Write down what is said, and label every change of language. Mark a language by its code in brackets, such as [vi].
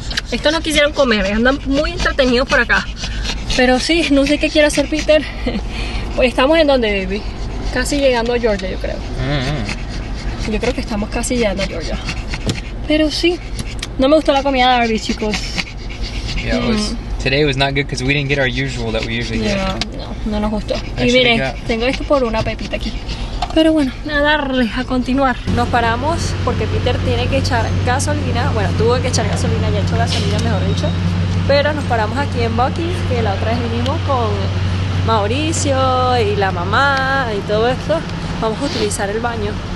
[es] Estos no quisieron comer, andan muy entretenidos por acá. Pero sí, no sé qué quiere hacer Peter. Pues estamos en donde, baby. Casi llegando a Georgia, yo creo. Yo creo que estamos casi llegando a Georgia. Pero sí, no me gustó la comida de Arby's, chicos. [en] Yeah, today was not good because we didn't get our usual that we usually get. [es] No, no nos gustó. Y miren, tengo esto por una pepita aquí. Pero bueno, a darle, a continuar. Nos paramos porque Peter tiene que echar gasolina. Bueno, tuvo que echar gasolina, ya echó gasolina, mejor dicho. Pero nos paramos aquí en Bucky's, que la otra vez vinimos con Mauricio y la mamá y todo esto. Vamos a utilizar el baño.